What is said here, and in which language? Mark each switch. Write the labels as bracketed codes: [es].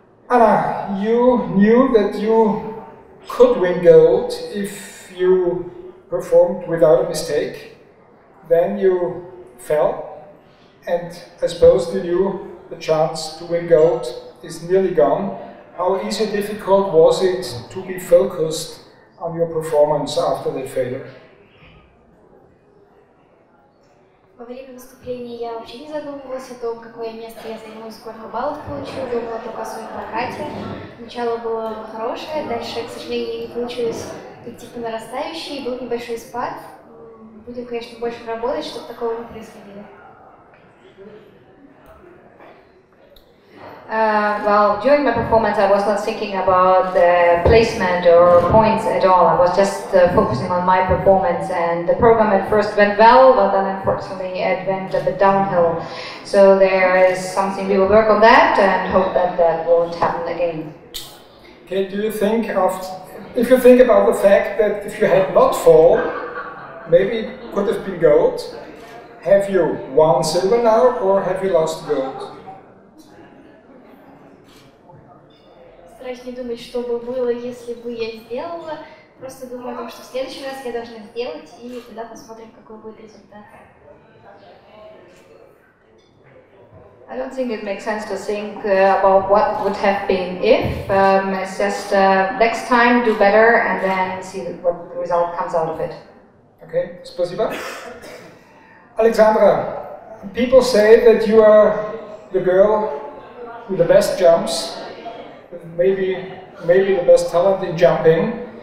[en] Anna, you knew that you could win gold if you performed without a mistake. Then you fell, and I suppose you knew the chance to win gold is nearly gone. How easy or difficult was it to be focused on your performance after the failure? [ru] Во время выступления я вообще не задумывалась о том, какое место я займу, сколько баллов получу, думала только о своем прокате. Начало было хорошее, дальше, к сожалению, не получилось идти по нарастающей, был небольшой спад. Будем, конечно, больше работать, чтобы такого не происходило. [en] Well, during my performance, I was not thinking about the placement or points at all. I was just focusing on my performance, and the program at first went well, but then unfortunately it went a bit downhill. So there is something we will work on that and hope that that won't happen again. Okay, do you think if you think about the fact that if you had not fallen, maybe it could have been gold, have you won silver now or have you lost gold? [ru] стараюсь не думать, что бы было, если бы я сделала. Просто думаю о том, что в следующий раз я должна сделать, и тогда посмотрим, какой будет результат. [en] I don't think it makes sense to think about what would have been if. It's just next time do better and then see what the result comes out of it. Okay, спасибо. Александра, people say that you are the girl with the best jumps, maybe the best talent in jumping.